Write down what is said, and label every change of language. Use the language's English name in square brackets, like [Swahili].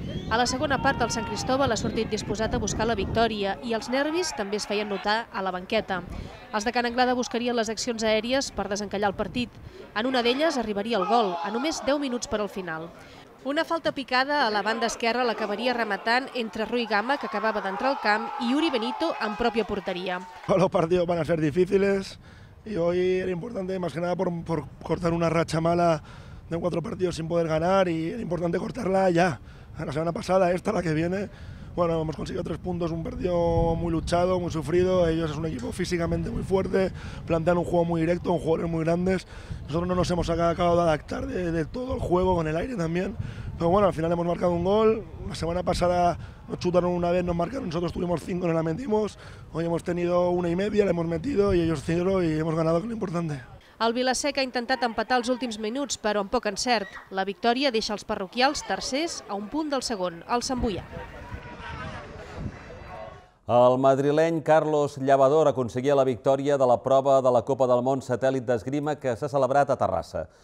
[Catalan] A la segona part, el Sant Cristòbal ha sortit disposat a buscar la victòria i els nervis també es feien notar a la banqueta. Els de Can Anglada buscarien les accions aèries per desencallar el partit. En una d'elles arribaria el gol, a només 10 minuts per al final. Una falta picada a la banda esquerra l'acabaria rematant entre Rui Gama, que acabava d'entrar al camp, i Uri Benito en pròpia porteria. [Spanish] Los partidos van a ser difíciles y hoy era importante, más que nada, por cortar una racha mala de 4 partidos sin poder ganar, y era importante cortarla ya. La semana pasada, esta, la que viene, bueno, hemos conseguido 3 puntos, un partido muy luchado, muy sufrido. Ellos es un equipo físicamente muy fuerte, plantean un juego muy directo, con jugadores muy grandes. Nosotros no nos hemos acabado de adaptar de todo el juego, con el aire también. Pero bueno, al final hemos marcado un gol. La semana pasada nos chutaron una vez, nos marcaron. Nosotros tuvimos 5, no la metimos. Hoy hemos tenido 1.5, la hemos metido y ellos 0 y hemos ganado, que es lo importante. [Catalan] El Vilaseca ha intentat empatar els últims minuts, però amb poc encert. La victòria deixa els parroquials tercers a un punt del segon, el Sant Boià. El madrileny Carlos Llavador aconseguia la victòria de la prova de la Copa del Món satèl·lit d'esgrima que s'ha celebrat a Terrassa.